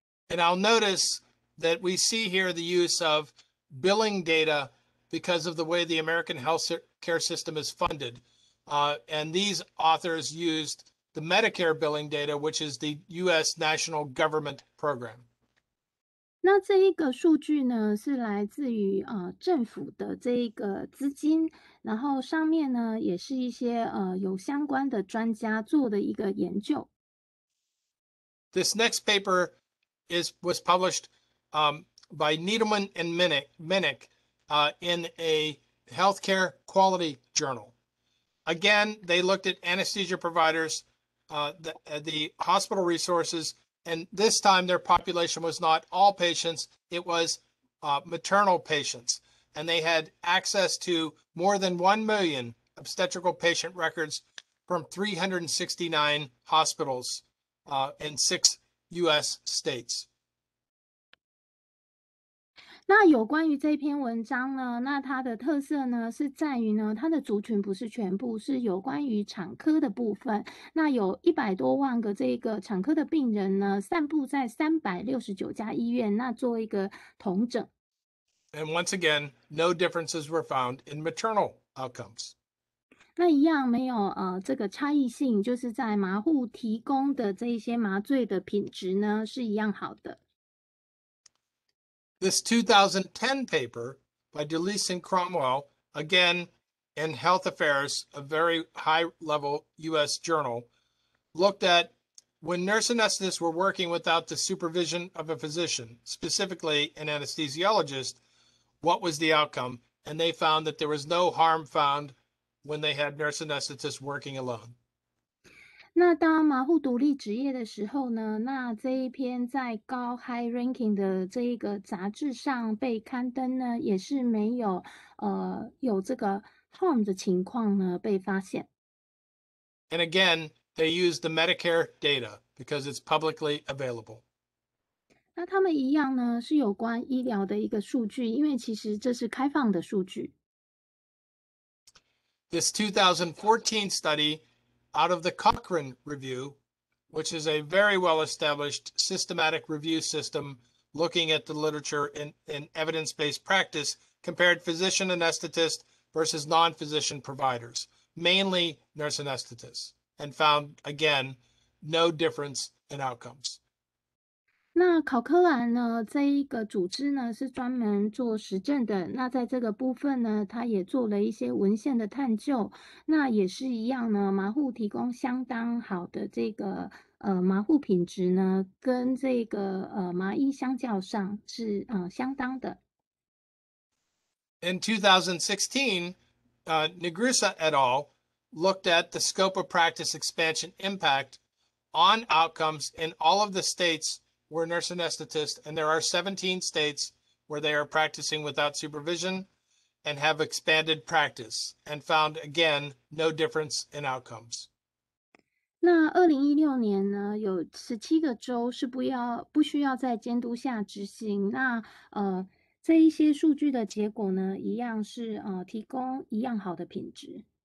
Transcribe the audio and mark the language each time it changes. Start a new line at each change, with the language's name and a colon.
English: And I'll notice. That we see here the use of billing data because of the way the American healthcare system is funded. And these authors used the Medicare billing data, which is the US national government program.
Chinese: 那这一个数据呢，是来自于政府的这一个资金，然后上面呢，也是一些有相关的专家做的一个研究。
English: This next paper was published. By Needleman and Minnick in a healthcare quality journal. Again, they looked at anesthesia providers, the hospital resources, and this time their population was not all patients, it was maternal patients. And they had access to more than 1 million obstetrical patient records from 369 hospitals in six U.S. states.
Chinese: 那有关于这篇文章呢，那它的特色呢是在于呢，它的族群不是全部，是有关于产科的部分。那有100多万个这个产科的病人呢，散布在369家医院，那做一个统整。
English: And once again, no differences were found in maternal outcomes.
Chinese: 那一样没有这个差异性，就是在麻户提供的这一些麻醉的品质呢是一样好的。
English: This 2010 paper by DeLeese and Cromwell, again in Health Affairs, a very high level US journal, looked at when nurse anesthetists were working without the supervision of a physician, specifically an anesthesiologist, what was the outcome? And they found that there was no harm found when they had nurse anesthetists working alone.
Chinese: 那当麻醉独立职业的时候呢，那这一篇在高
English: High Ranking
Chinese: 的这一个杂志上被刊登呢，也是没有有这个 harm 的情况呢被发现。
English: And again, they use the Medicare data because it's publicly available.
Chinese: 那他们一样呢，是有关医疗的一个数据，因为其实这是开放的数据。
English: This 2014 study out of the Cochrane Review, which is a very well-established systematic review system looking at the literature in evidence-based practice compared physician anesthetist versus non-physician providers, mainly nurse anesthetists, and found, again, no difference in outcomes.
Chinese: 那考克兰呢，这一个组织呢是专门做实证的，那在这个部分呢，他也做了一些文献的探究，那也是一样呢，麻醉提供相当好的这个麻醉品质呢，跟这个麻医相较上是相当的。
English: In 2016, Negrisa et al. Looked at the scope of practice expansion impact on outcomes in all of the states were nurse anesthetists, and there are 17 states where they are practicing without supervision and have expanded practice and found, again, no difference in outcomes.
Chinese: 那2016年呢，有17个州是不需要在监督下执行，那这一些数据的结果呢，一样是提供一样好的品质。